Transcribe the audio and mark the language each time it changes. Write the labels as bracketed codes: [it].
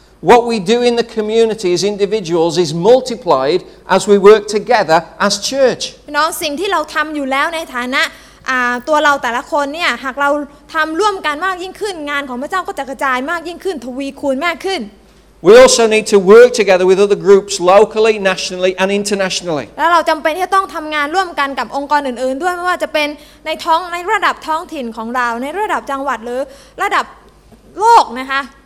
[en] What we do in the community as individuals is multiplied as we work together as church [th] พี่น้องสิ่งที่เราทำอยู่แล้วในฐานะตัวเราแต่ละคนเนี่ยหากเราทำร่วมกันมากยิ่งขึ้นงานของพระเจ้าก็จะกระจายมากยิ่งขึ้นทวีคูณมากขึ้น [en] We also need to work together with other groups locally, nationally, and internationally [th] แล้วเราจำเป็นที่จะต้องทำงานร่วมกันกับองค์กรอื่นๆด้วยไม่ว่าจะเป็นในท้องในระดับท้องถิ่นของเราในระดับจังหวัดหรือระดับโลกนะคะ